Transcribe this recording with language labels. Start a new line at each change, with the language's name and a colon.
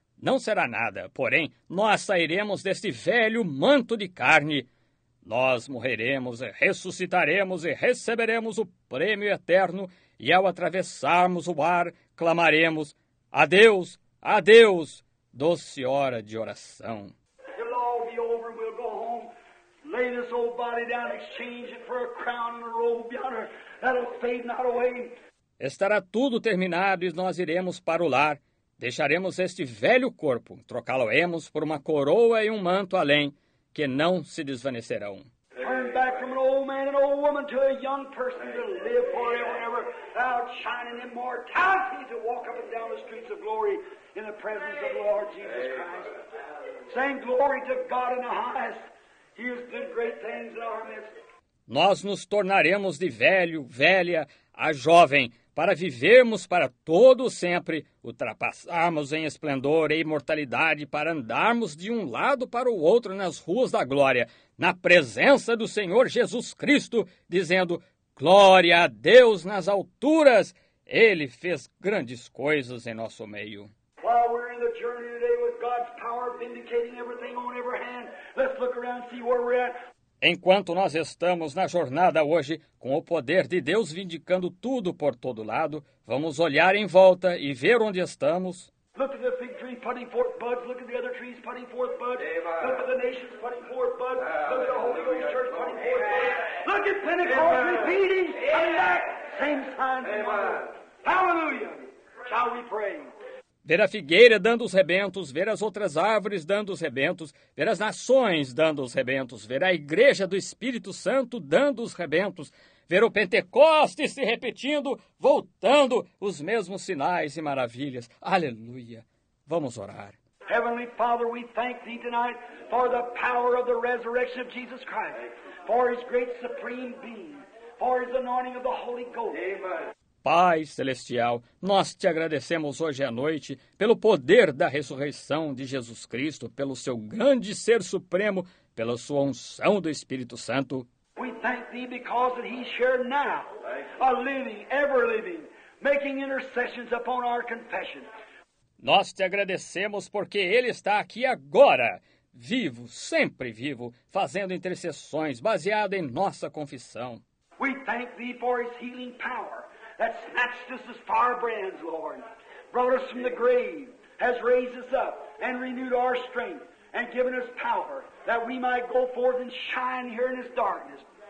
Portuguese: Não será nada, porém, nós sairemos deste velho manto de carne. Nós morreremos, ressuscitaremos e receberemos o prêmio eterno, e ao atravessarmos o ar, clamaremos, adeus, adeus, doce hora de oração.
English: It'll all be over, we'll go home, lay this old body down, exchange it for a crown and a robe yonder, that'll fade not away.
Portuguese: Estará tudo terminado e nós iremos para o lar. Deixaremos este velho corpo, trocá-lo-emos por uma coroa e um manto além, que não se desvanecerão.
English: Turn back from an old man and old woman to a young person to live forever and ever, outshining immortality to walk up and down the streets of glory in the presence of the Lord Jesus Christ. Saying glory to God in the highest. He has done great things in our midst.
Portuguese: Nós nos tornaremos de velho, velha, a jovem, para vivermos para todo sempre, ultrapassarmos em esplendor e imortalidade, para andarmos de um lado para o outro nas ruas da glória, na presença do Senhor Jesus Cristo, dizendo, glória a Deus nas alturas, Ele fez grandes coisas em nosso meio.
English: While we're in the journey today with God's power vindicating everything on every hand, let's look around and see where we're at.
Portuguese: Enquanto nós estamos na jornada hoje, com o poder de Deus vindicando tudo por todo lado, vamos olhar em volta e ver onde estamos.
English: Look at the fig tree putting forth buds. Look at the other trees putting forth buds. Look at the nations putting forth buds. Look at the Holy Ghost Church putting forth buds. Look at Pentecost repeating. Come back. Same signs. Hallelujah. Shall we pray?
Portuguese: Ver a figueira dando os rebentos, ver as outras árvores dando os rebentos, ver as nações dando os rebentos, ver a igreja do Espírito Santo dando os rebentos, ver o Pentecostes se repetindo, voltando os mesmos sinais e maravilhas. Aleluia! Vamos orar.
English: Heavenly Father, we thank Thee tonight for the power of the resurrection of Jesus Christ, for His great supreme being, for His anointing of the Holy Ghost. Amen.
Portuguese: Pai Celestial, nós te agradecemos hoje à noite pelo poder da ressurreição de Jesus Cristo, pelo seu grande ser supremo, pela sua unção do Espírito Santo.
English: We thank thee because that he's here now, a living, ever living, making intercessions upon our confession.
Portuguese: Nós te agradecemos porque ele está aqui agora, vivo, sempre vivo, fazendo intercessões baseado em nossa confissão.
English: We thank thee for his healing power. That snatched us as firebrands, Lord, brought us from the grave, has raised us up and renewed our strength and given us power that we might go forth and shine here in this darkness.